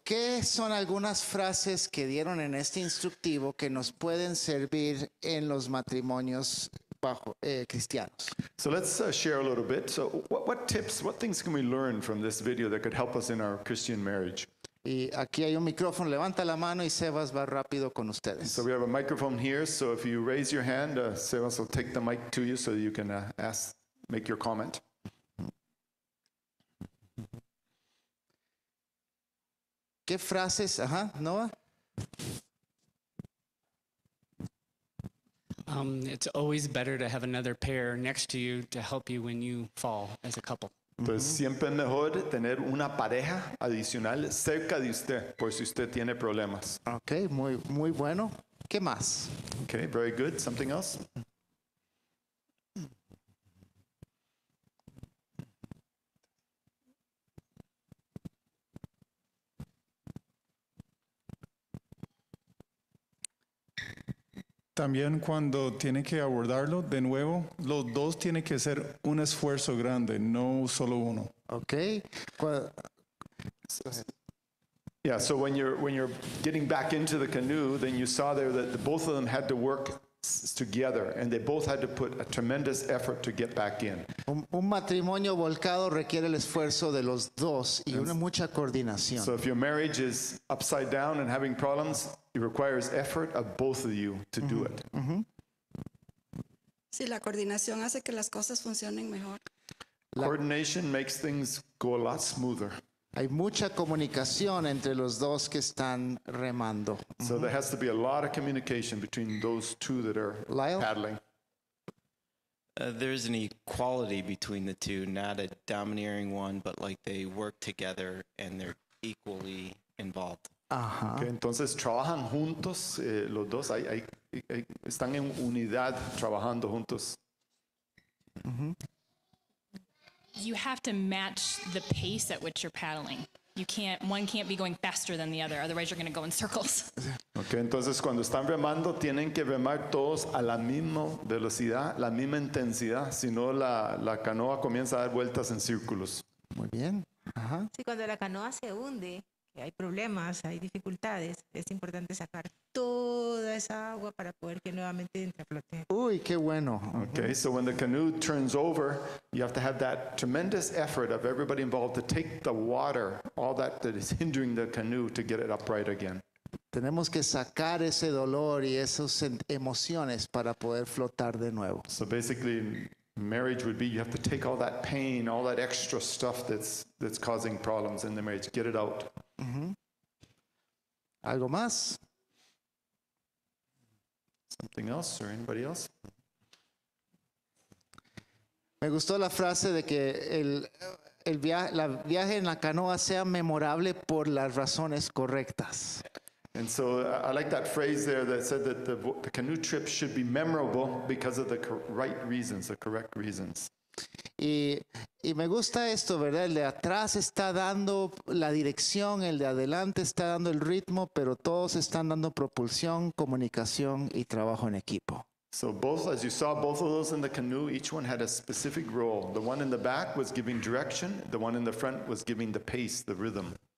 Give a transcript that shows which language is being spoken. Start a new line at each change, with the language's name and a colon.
Spanish: ¿Qué son algunas frases que dieron en este instructivo que nos pueden servir en los matrimonios bajo, cristianos?
English: So let's share a little bit. So what tips, what things can we learn from this video that could help us in our Christian marriage?
Spanish: Y aquí hay un micrófono, levanta la mano y Sebas va rápido con ustedes.
English: So we have a microphone here, so if you raise your hand, Sebas will take the mic to you so you can make your comment.
Spanish: ¿Qué frases? Ajá, Noah.
English: It's always better to have another pair next to you to help you when you fall as a couple.
Spanish: Pues siempre mejor tener una pareja adicional cerca de usted por si usted tiene problemas. Okay, muy muy bueno. ¿Qué más?
English: Okay, very good. Something else?
Spanish: También cuando tiene que abordarlo de nuevo, los dos tienen que hacer un esfuerzo grande, no solo uno.
English: Okay. Yeah, so when you're getting back into the canoe, then you saw there that both of them had to work together and they both had to put a tremendous effort to get back in.
Spanish: Un matrimonio volcado requiere el esfuerzo de los dos y una mucha coordinación.
English: So if your marriage is upside down and having problems, it requires effort of both of you to do it.
Spanish: Sí, la coordinación hace que las cosas funcionen mejor.
English: Coordination makes things go a lot smoother.
Spanish: Hay mucha comunicación entre los dos que están remando.
English: So there has to be a lot of communication between those two that are Lyle? Paddling. There is an equality between the two, not a domineering one, but like they work together and they're equally involved. Ajá.
Spanish: Okay, entonces trabajan juntos los dos, están en unidad trabajando juntos.
English: You have to match the pace at which you're paddling. You can't, one can't be going faster than the other, otherwise you're going to go in circles.
Spanish: Okay, entonces cuando están remando, tienen que remar todos a la misma velocidad, la misma intensidad, si no la canoa comienza a dar vueltas en círculos. Muy bien. Ajá. Sí, cuando la canoa se hunde, hay problemas, hay dificultades, es importante sacar toda esa agua para poder que nuevamente entre a flote. Uy, qué bueno.
English: Okay, so when the canoe turns over, you have to have that tremendous effort of everybody involved to take the water, all that is hindering the canoe, to get it upright again.
Spanish: Tenemos que sacar ese dolor y esas emociones para poder flotar de nuevo.
English: So basically, marriage would be you have to take all that pain, all that extra stuff that's causing problems in the marriage, get it out.
Spanish: Mm-hmm. ¿Algo más?
English: Something else or anybody else?
Spanish: Me gustó la frase de que el viaje en la canoa sea memorable por las razones correctas.
English: And so I like that phrase there that said that the canoe trip should be memorable because of the right reasons, the correct reasons.
Spanish: Y me gusta esto, ¿verdad? El de atrás está dando la dirección, el de adelante está dando el ritmo, pero todos están dando propulsión, comunicación y trabajo en equipo.
English: So both, as you saw, both of those in the canoe, each one had a specific role. The one in the back was giving direction, the one in the front was giving the pace, the rhythm.